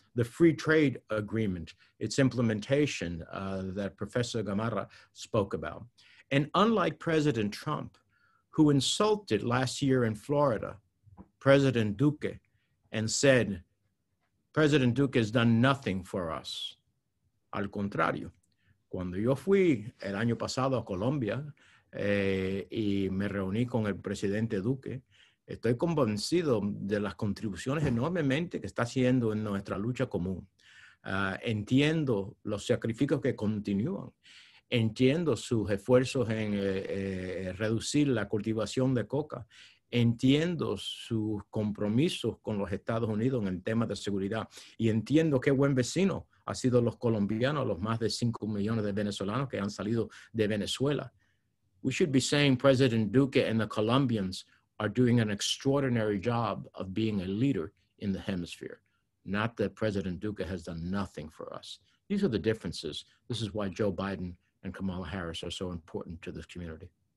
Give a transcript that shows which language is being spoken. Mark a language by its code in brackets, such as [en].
[en] The free trade agreement, its implementation that Professor Gamarra spoke about. And unlike President Trump, who insulted last year in Florida, President Duque, and said, President Duque has done nothing for us. [es] Al contrario, cuando yo fui el año pasado a Colombia y me reuní con el presidente Duque, estoy convencido de las contribuciones enormemente que está haciendo en nuestra lucha común. Entiendo los sacrificios que continúan. Entiendo sus esfuerzos en reducir la cultivación de coca. Entiendo sus compromisos con los Estados Unidos en el tema de seguridad. Y entiendo qué buen vecino ha sido los colombianos, los más de 5 millones de venezolanos que han salido de Venezuela. [en] We should be saying President Duque and the Colombians are doing an extraordinary job of being a leader in the hemisphere. Not that President Duque has done nothing for us. These are the differences. This is why Joe Biden and Kamala Harris are so important to this community.